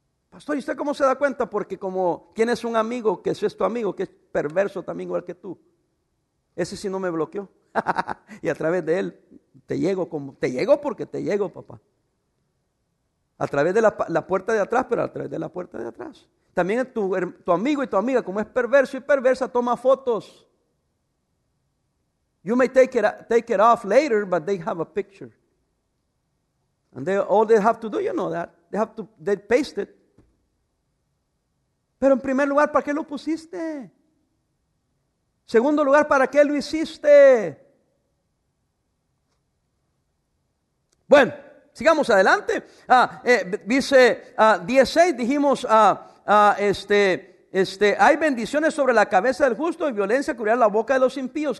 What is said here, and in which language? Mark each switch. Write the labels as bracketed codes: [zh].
[es] Pastor, ¿y usted cómo se da cuenta? Porque como tienes un amigo que es tu amigo, que es perverso también igual que tú. Ese sí no me bloqueó. Y a través de él te llego como, te llego porque te llego, papá. A través de la puerta de atrás, pero a través de la puerta de atrás. También tu amigo y tu amiga, como es perverso y perversa, toma fotos. [en] You may take it off later, but they have a picture. And all they have to do, you know that. They paste it. [es] Pero en primer lugar, ¿para qué lo pusiste? Segundo lugar, ¿para qué lo hiciste? Bueno. Sigamos adelante. Dice 16, dijimos, hay bendiciones sobre la cabeza del justo y violencia cubrirá la boca de los impíos.